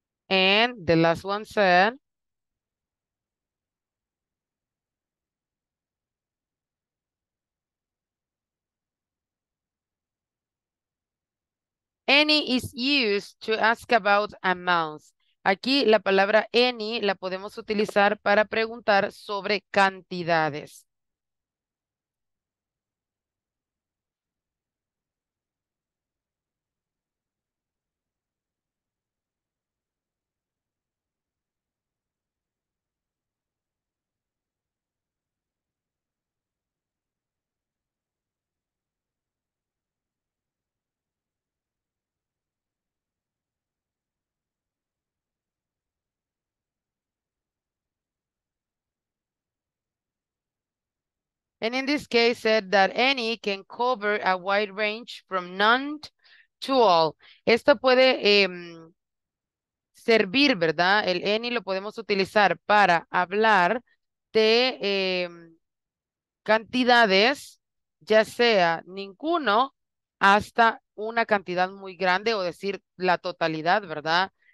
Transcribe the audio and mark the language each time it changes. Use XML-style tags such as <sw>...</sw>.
<en>And the last one said, any is used to ask about amounts.</en> <es>Aquí la palabra any la podemos utilizar para preguntar sobre cantidades.</es> <en>And in this case, said that any can cover a wide range from none to all.</en> <es>Esto puede servir, ¿verdad? El any lo podemos utilizar para hablar de cantidades, ya sea ninguno hasta una cantidad muy grande, o decir la totalidad, ¿verdad?</es>